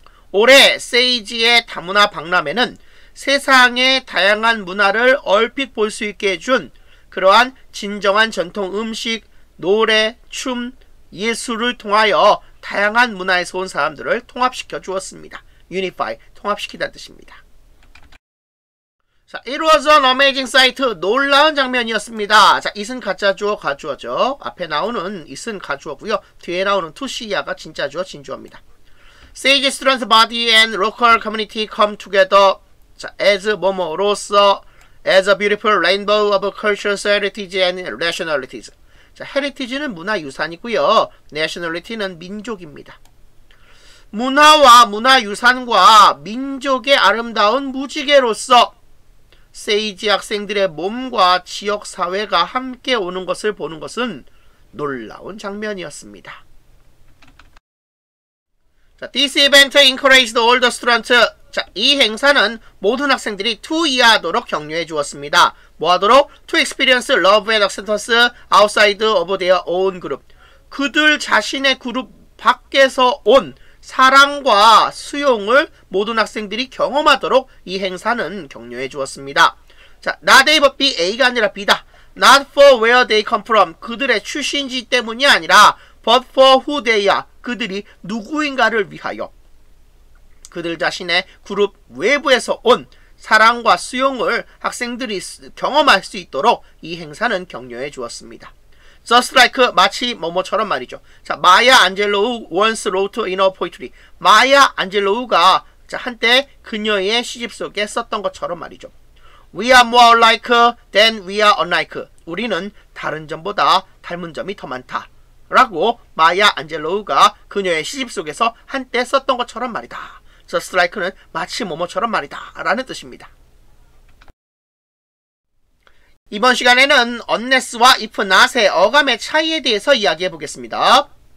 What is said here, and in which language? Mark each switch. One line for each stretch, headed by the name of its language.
Korean: 올해 세이지의 다문화 박람회는 세상의 다양한 문화를 얼핏 볼 수 있게 해준 그러한 진정한 전통 음식, 노래, 춤, 예술을 통하여 다양한 문화에서 온 사람들을 통합시켜 주었습니다. Unify, 통합시키다는 뜻입니다. 자,
English: It was an amazing sight,
Korean: 놀라운 장면이었습니다. 자, it은 가짜주어, 가주어죠. 앞에 나오는 it은 가주어고요. 뒤에 나오는 투시야가 진짜주어, 진주어입니다.
English: Sage students body and local community come together 자, as
Korean: 뭐뭐로서
English: as a beautiful rainbow of cultures, heritage and nationalities.
Korean: 자, heritage는 문화 유산이고요. nationality는 민족입니다. 문화와 문화 유산과 민족의 아름다운 무지개로서 세이지 학생들의 몸과 지역 사회가 함께 오는 것을 보는 것은 놀라운 장면이었습니다.
English: 자, this event encouraged all the students.
Korean: 자, 이 행사는 모든 학생들이 to 이해하도록 격려해 주었습니다. 뭐 하도록?
English: To experience love and acceptance outside of their own group.
Korean: 그들 자신의 그룹 밖에서 온 사랑과 수용을 모든 학생들이 경험하도록 이 행사는 격려해 주었습니다.
English: 자, not they but be
Korean: A가 아니라 B다.
English: Not for where they come from.
Korean: 그들의 출신지 때문이 아니라
English: but for who they are.
Korean: 그들이 누구인가를 위하여 그들 자신의 그룹 외부에서 온 사랑과 수용을 학생들이 경험할 수 있도록 이 행사는 격려해 주었습니다.
English: Just like
Korean: 마치 뭐뭐처럼 말이죠.
English: 자, Maya Angelou once wrote in her poetry.
Korean: Maya Angelou가 자, 한때 그녀의 시집 속에 썼던 것처럼 말이죠.
English: We are more alike than we are unlike.
Korean: 우리는 다른 점보다 닮은 점이 더 많다. 라고 마야 안젤로우가 그녀의 시집 속에서 한때 썼던 것처럼 말이다. Just like는 마치 뭐뭐처럼 말이다 라는 뜻입니다. 이번 시간에는 unless와 if not의 어감의 차이에 대해서 이야기해 보겠습니다.